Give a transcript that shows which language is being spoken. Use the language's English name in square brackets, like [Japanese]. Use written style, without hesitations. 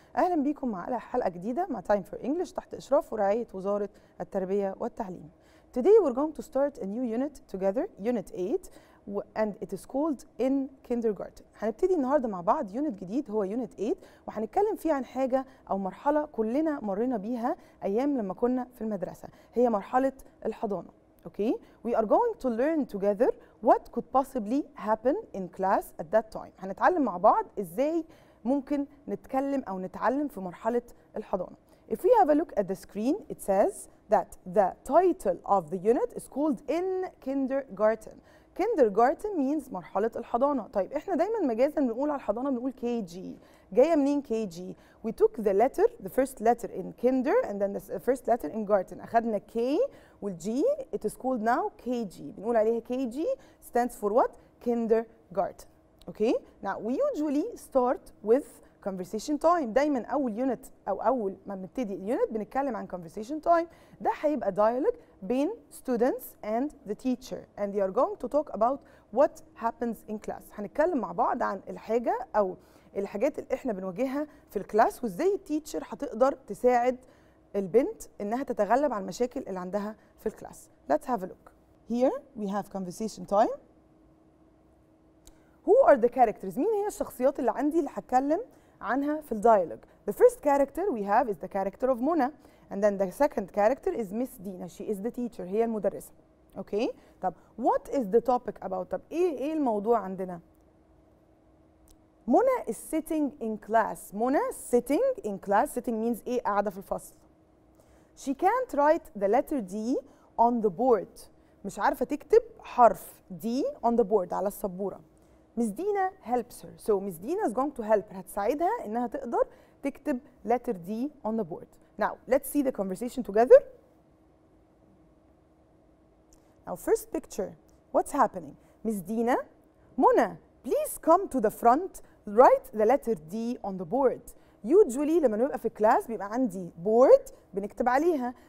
[Arabic] أهلا بكم على حلقة جديدة مع Time for English تحت إشراف ورعاية وزارة التربية والتعليم. [English] Today we're going to start a new unit together, Unit 8, and it is called In Kindergarten. [Arabic] هنبتدي النهاردة مع بعض يونت جديد هو يونت 8 وهنتكلم فيه عن حاجة أو مرحلة كلنا مرينا بيها أيام لما كنا في المدرسة هي مرحلة الحضانة. [English] Okay, we are going to learn together what could possibly happen in class at that time. [Arabic] هنتعلم مع بعض ازاي ممكن نتكلم او نتعلم في مرحلة الحضانة. [English] If we have a look at the screen, it says that the title of the unit is called In Kindergarten. Kindergarten means [Arabic] مرحلة الحضانة. طيب احنا دايما مجازا بنقول على الحضانة بنقول KG. جاية منين [English] KG؟ We took the letter, the first letter in kinder and then the first letter in garden. أخذنا K والG, it is called now KG. [Arabic] بنقول عليها [English] KG stands for what? Kindergarten. Okay? Now we usually start with conversation time. [Arabic] دايما أول unit أو أول ما بنبتدي unit بنتكلم عن conversation time. ده هيبقى [English] dialogue بين students and the teacher. And they are going to talk about what happens in class. [Arabic] هنتكلم مع بعض عن الحاجة أو الحاجات اللي احنا بنواجهها في الكلاس وازاي التيتشر هتقدر تساعد البنت انها تتغلب على المشاكل اللي عندها في الكلاس. [English] Let's have a look. Here we have conversation time. Who are the characters? [Arabic] مين هي الشخصيات اللي عندي اللي هتكلم عنها في الدايالوج؟ [English] The first character we have is the character of Mona and then the second character is Miss Dina. She is the teacher. [Arabic] هي المدرسة. [English] Okay. طب what is the topic about? [Arabic] طب ايه الموضوع عندنا؟ [English] Mona is sitting in class. Mona sitting in class. Sitting means A, [Arabic] قاعدة في الفصل. [English] She can't write the letter D on the board. [Arabic] مش عارفة تكتب حرف D [English] on the board [Arabic] على السبورة. [English] Miss Dina helps her. So Miss Dina is going to help her. [Arabic] هتساعدها إنها تقدر تكتب [English] letter D on the board. Now let's see the conversation together. Now first picture. What's happening? Miss Dina, Mona, please come to the front. Write the letter D on the board. [Arabic] Usually لما نبقى في الكلاس بيبقى عندي board بنكتب عليها.